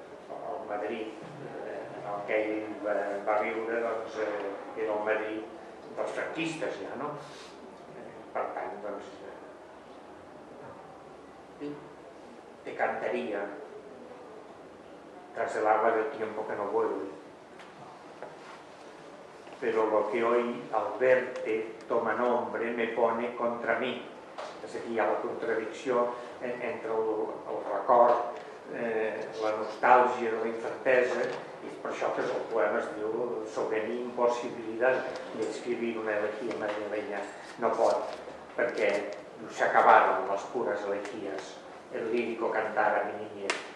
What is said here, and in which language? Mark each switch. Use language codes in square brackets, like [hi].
[ca] el Madrid, el que ell va viure, doncs, era el Madrid dels franquistes, ja, no? Per tant, doncs, [es] te cantaria tras el agua del tiempo que no vuelve. Pero lo que hoy al verte toma nombre me pone contra mí. [ca] És a dir, hi ha la contradicció entre el record, la nostàlgia de la infantesa, i per això que el poema es diu sobre mi impossibilitat d'escriure una elegia a Maria Vella. No pot, perquè [es] s'acabaron les pures elegies, el lírico cantar a mi niña.